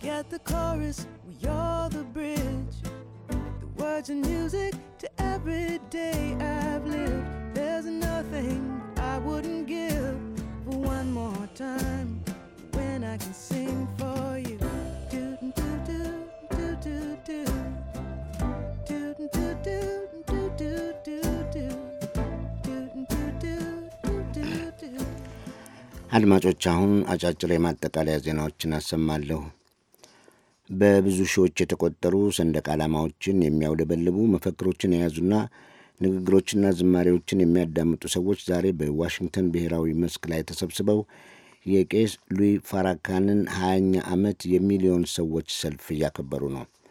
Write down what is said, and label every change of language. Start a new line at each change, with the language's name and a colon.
English: The chorus, we are the bridge. The words and music to every day I've lived. There's nothing I wouldn't give for one more time when I can sing for you. Do do do do do do do do do do do do do do do do do do do.
Amharic: አድማጮች አሁን አጫጭር የማጠቃለያ ዜናዎችን አሰማለሁ። በብዙ ሺዎች የተቆጠሩ ሰንደቅ ዓላማዎችን የሚያውለበልቡ መፈክሮችን የያዙና ንግግሮችና ዝማሬዎችን የሚያዳምጡ ሰዎች ዛሬ በዋሽንግተን ብሔራዊ መስክ ላይ ተሰብስበው የቄስ ሉዊ ፋራካንን 20ኛ ዓመት የሚሊዮን ሰዎች ሰልፍ እያከበሩ ነው።